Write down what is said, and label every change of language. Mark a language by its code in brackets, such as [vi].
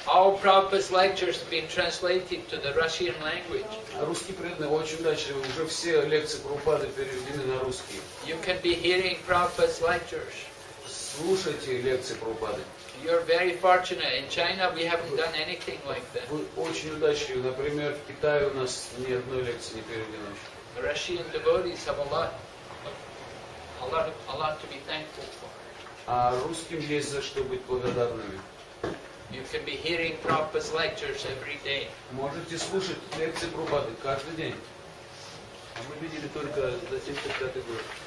[en] All Prabhupada's lectures have been translated to the Russian language. You can be hearing Prabhupada's lectures. [ru] Слушайте лекции Прабхупады. [en] You're very fortunate. In China we haven't done anything like that. [ru] Вы очень удачливы. Например, в Китае у нас ни одной лекции не передано. [en] Russian devotees have a lot to be thankful for. [ru] А русским есть за что быть благодарными. [en] You can be hearing Prabhupada's lectures every day. [ru] Можете слушать лекции Прабхупады каждый день. Мы видели только за 75-й год.